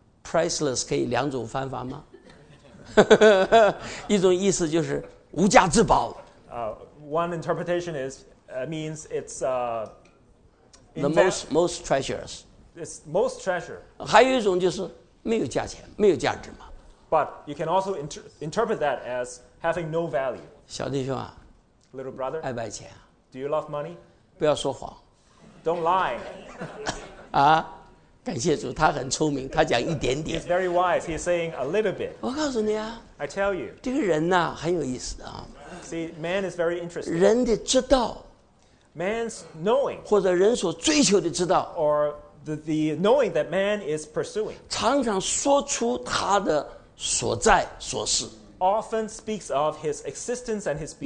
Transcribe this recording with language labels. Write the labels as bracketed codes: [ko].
[zh] Priceless 可以两种翻法吗？一种意思就是。无价之宝。 [en] One interpretation is means it's the most treasures. It's most treasure. [zh] 还有一种就是没有价钱，没有价值嘛。 [en] But you can also interpret that as having no value. [zh] 小弟兄啊 [en] ，Little brother， [zh] 爱不爱钱 [en] ？Do you love money？ [zh] 不要说谎。 [en] Don't lie. [zh] 啊，感谢主，他很聪明，他讲一点点。 [en] He's very wise. He's saying a little bit. [zh] 我告诉你啊。 [en] I tell you, [zh] 这个人呢、啊、很有意思啊。 [en] See, man is very interesting. [zh] 人的知道 [en] ，man's knowing， [zh] 或者人所追求的知道 [en] ，or the knowing that man is pursuing， [zh] 常常说出他的所在所是。 [en] Often speaks of his existence and his being.